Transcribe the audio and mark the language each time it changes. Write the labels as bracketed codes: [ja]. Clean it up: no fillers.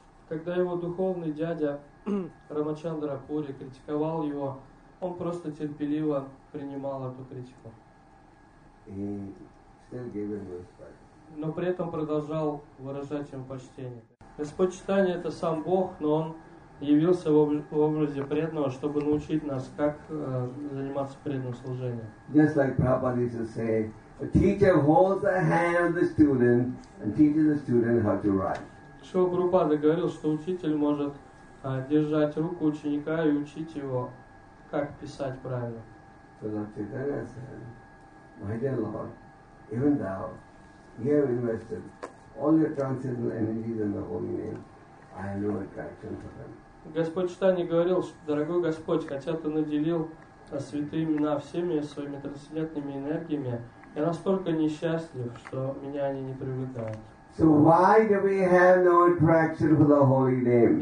[ru] Когда его духовный дядя Рамачандра Пури критиковал его, он просто терпеливо принимал эту критику. [en] He still gave him respect. [ru] Но при этом продолжал выражать ему почтение. Господь Чайтанья — это сам Бог, но Он явился в образе преданного, чтобы научить нас, как заниматься преданным служением. [en] Just like Prabhupada used to say, a teacher holds the hand of the student and teaches the student how to write. [ru] Шрила Прабхупада говорил, что учитель может держать руку ученика и учить его, как писать правильно. [en] So Lord Chaitanya said, my dear Lord, even thou, you have invested all your transcendental energies in the holy name. I have no attraction for them. [ru] Господь Чайтанья говорил, дорогой Господь, хотя ты наделил святые имена всеми своими трансцендентными энергиями, я настолько несчастлив, что меня они не привлекают. [en] So why do we have no attraction for the holy name?